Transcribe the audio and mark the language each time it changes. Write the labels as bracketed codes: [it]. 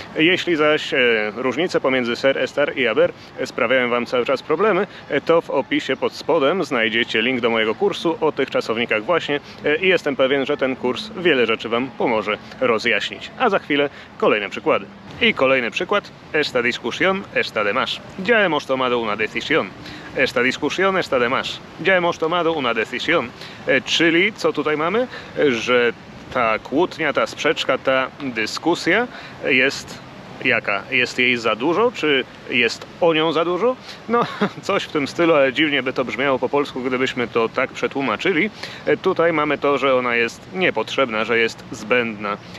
[pl] Jeśli zaś różnice pomiędzy ser, estar i haber sprawiają Wam cały czas problemy, to w opisie pod spodem znajdziecie link do mojego kursu o tych czasownikach właśnie i jestem pewien, że ten kurs wiele rzeczy Wam pomoże rozjaśnić. A za chwilę kolejne przykłady. Y kolejny przykład, [es] esta discusión está de más. Ya hemos tomado una decisión. Esta discusión está de más. Ya hemos tomado una decisión. [pl] Czyli, co tutaj mamy? Że ta kłótnia, ta sprzeczka, ta dyskusja jest jaka? Jest jej za dużo, czy jest o nią za dużo? No, coś w tym stylu, ale dziwnie by to brzmiało po polsku, gdybyśmy to tak przetłumaczyli. Tutaj mamy to, że ona jest niepotrzebna, że jest zbędna.